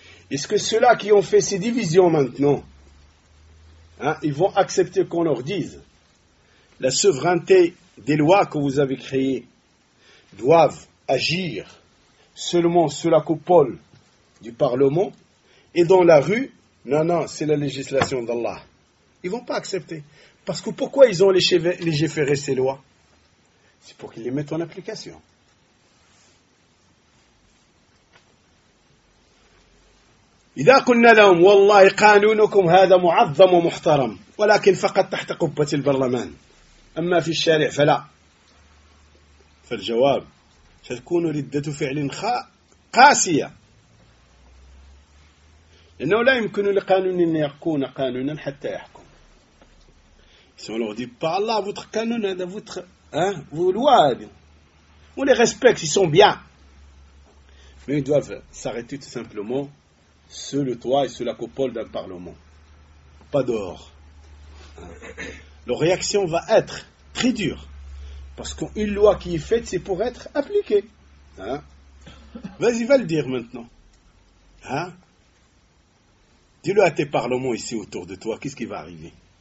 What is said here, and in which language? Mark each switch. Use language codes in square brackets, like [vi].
[fr] Est-ce que ceux-là qui ont fait ces divisions maintenant, ils vont accepter qu'on leur dise la souveraineté des lois que vous avez créées doivent agir seulement sous la coupole du Parlement et dans la rue, non, c'est la législation d'Allah. Ils ne vont pas accepter. Parce que pourquoi ils ont légiféré ces lois ? C'est pour qu'ils les mettent en application. [ar] إذا قلنا لهم والله قانونكم هذا معظم ومحترم ولكن فقط تحت قبة البرلمان أما في الشارع فلا فالجواب ستكون ردة فعل قاسية لأنه لا يمكن لقانون أن يكون قانونا حتى يحكم سواء لو دي با الله [fr] votre canon [ar] هذا [fr] votre loi on les respecte ils sont bien mais ils doivent s'arrêter tout simplement sur le toit et sur la coupole d'un parlement. Pas dehors. Leur réaction va être très dure. Parce qu'une loi qui est faite, c'est pour être appliquée. Vas-y, va le dire maintenant. Dis-le à tes parlements ici autour de toi. Qu'est-ce qui va arriver?